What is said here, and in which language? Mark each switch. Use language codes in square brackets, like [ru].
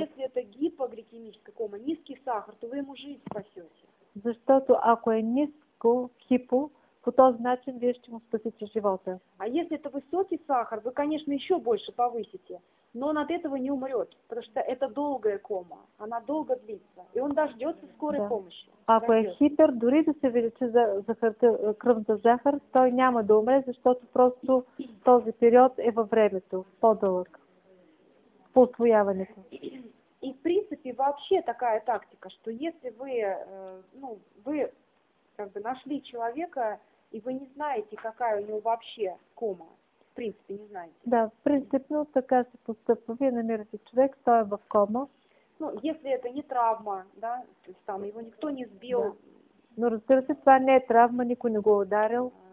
[ru] Если это гипогликемическая кома, низкий сахар, то вы ему жизнь спасете. [bg] За что то, ако е низко хипо, по този начин вие ще му спасите живота. [ru] А если это высокий сахар, вы, конечно, еще больше повысите. Но он от этого не умрет, потому что это долгая кома, она долго длится, и он дождется скорой помощи. [bg] Ако е хипер, дори да се увеличи кръвната захар, той няма да умре, защото просто този период е във времето, по-дълъг, по усвояването. [ru] И в принципе вообще такая тактика, что если вы, ну, вы как бы нашли человека, и вы не знаете, какая у него вообще кома, в принципе, не знаете. [bg] Да, принципно така се постъпва. Вие намирате човек, той е в кома. [ru] Ну, если это не травма, да, то есть там его никто не сбил. Да. [bg] Но разбира се, това не е травма, никой не го ударил.